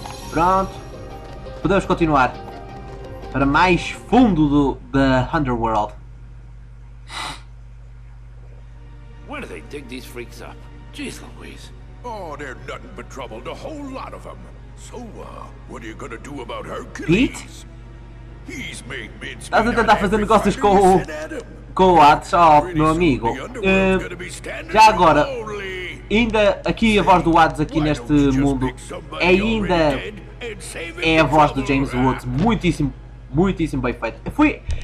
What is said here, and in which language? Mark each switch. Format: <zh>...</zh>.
<pt>Pronto. Podemos continuar para mais fundo do da Underworld.</pt> <en>Where do they dig these freaks up? Jeez Louise. Oh, they're nothing but trouble, the whole lot of them. So, what are you gonna do about Hercules? Pete?</en> <pt>Estás a tentar fazer negócios com o... com o Hades, ó, meu amigo. Já agora, ainda aqui a voz do Hades aqui neste mundo é ainda... é a voz do James Woods, muitíssimo, muitíssimo bem feita. Foi...</pt>